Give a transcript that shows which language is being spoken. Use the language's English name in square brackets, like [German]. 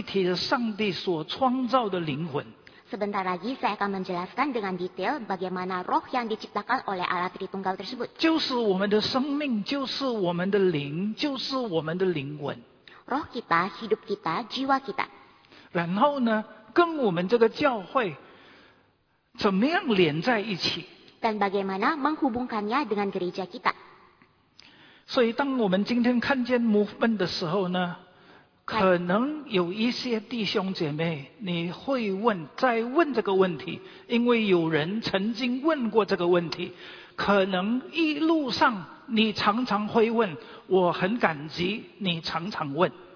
[Chinese] 我一下子会很仔细地分析三位一体的上帝所创造的灵魂。 [Indonesian] Sebentar lagi saya akan menjelaskan dengan detail bagaimana roh yang diciptakan oleh Allah Tritunggal tersebut. [Chinese] 就是我们的生命，就是我们的灵，就是我们的灵魂。 [Indonesian] Roh kita, hidup kita, jiwa kita. [Chinese] 然后呢, 跟我们这个教会怎么样连在一起? [Indonesian] Dan bagaimana menghubungkannya dengan gereja kita? [Chinese] 所以当我们今天看见 movement 的时候呢, 可能有一些弟兄姐妹, 你会问, 再问这个问题, 因为有人曾经问过这个问题, 可能一路上你常常会问, 我很感激你常常问。